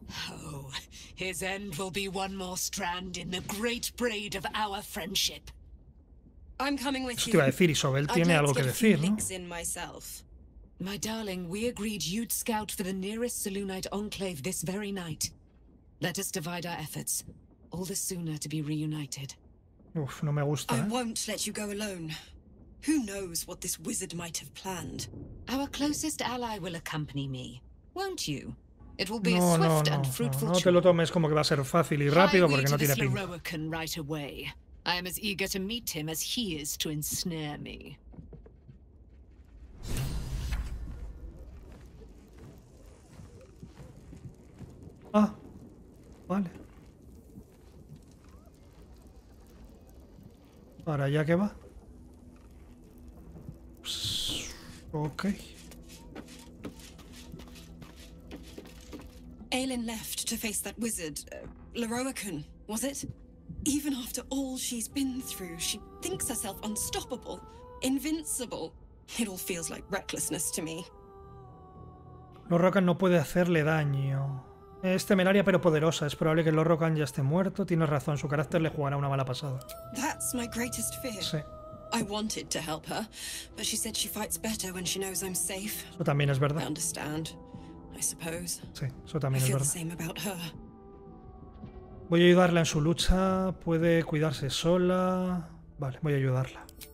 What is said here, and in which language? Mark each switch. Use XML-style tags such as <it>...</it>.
<en>Oh, his end will be one more strand in the great braid of our friendship. I'm coming with you.</en> <es>Eso te iba a decir, Isobel tiene algo que decir, ¿no?</es> <en>My darling, we agreed you'd scout for the nearest Salunite enclave this very night. Let us divide our efforts. All the sooner to be reunited.</en> <es>Uf, no me gusta.</es> <en>I won't let you go alone. Who knows what this wizard might have planned? Our closest ally will accompany me, won't you? It will be</en> <es>no,</es> <en>a swift</en> <es>no, no,</es> <en>and fruitful.</en> <es>No, no, no. No te lo tomes como que va a ser fácil y rápido porque no tiene pinta.</es> <en>Fly me to this Heroican right away. I am as eager to meet him as he is to ensnare me.</en> <es>Ah, vale. ¿Para allá que va?</es> <en>Ok. Aelin left to face that wizard, Lorroacan, was it? Even after all she's been through, she thinks herself unstoppable, invincible. It all feels like recklessness to me.</en> <es>Lorroacan no puede hacerle daño. Es temeraria pero poderosa. Es probable que Lorroacan ya esté muerto. Tienes razón, su carácter le jugará una mala pasada.</es> <en>That's my greatest fear.</en> <es>Sí.</es> <en>I wanted to help her, but she said she fights better when she knows I'm safe.</en> <es>Eso también es verdad.</es> <en>I understand, I suppose.</en> <es>Sí, eso también</es> <en>feel</en> <es>verdad.</es> <en>The same about her.</en> <es>Voy a ayudarla en su lucha. Puede cuidarse sola. Vale, voy a ayudarla.</es>